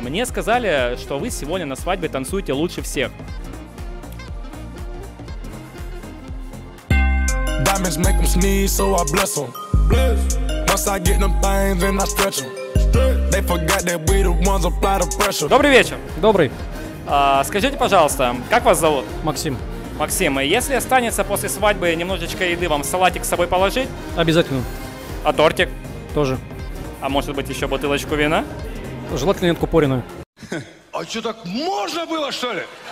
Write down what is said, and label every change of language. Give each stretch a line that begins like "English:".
Russian: Мне сказали, что вы сегодня на свадьбе танцуете лучше всех.
English: Diamonds make them sneeze, so I bless them. Once I get them things, then I stretch them. They forgot that we the ones apply the pressure.
Russian: Добрый вечер. Добрый. Скажите, пожалуйста, как вас зовут? Максим. Максим, если останется после свадьбы немножечко еды, вам салатик с собой положить? Обязательно. А тортик? Тоже. А может быть еще бутылочку вина? Желательно откупоренную. А что, так можно было, что ли?